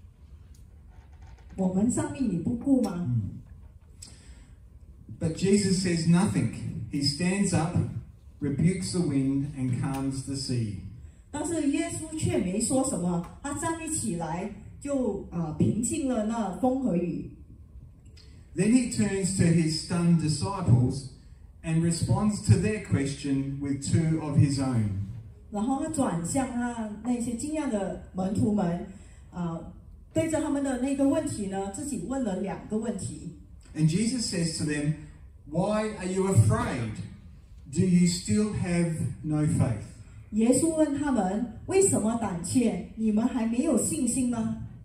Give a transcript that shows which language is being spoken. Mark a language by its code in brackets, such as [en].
[zh] 他们叫醒耶稣呢，就问耶稣，夫子啊，你不眷顾我们，快要丧命了吗？我们丧命你不顾吗？ [en] But Jesus says nothing. He stands up, rebukes the wind, and calms the sea. [zh] 但是耶稣却没说什么，他站立起来就平静了那风和雨。Then [en] he turns to his stunned disciples and responds to their question with two of his own. [zh] 然后他转向那些惊讶的门徒们，对着他们的那个问题呢，自己问了两个问题。And [en] Jesus says to them, Why are you afraid? Do you still have no faith? [zh] 耶稣问他们，为什么胆怯？你们还没有信心吗？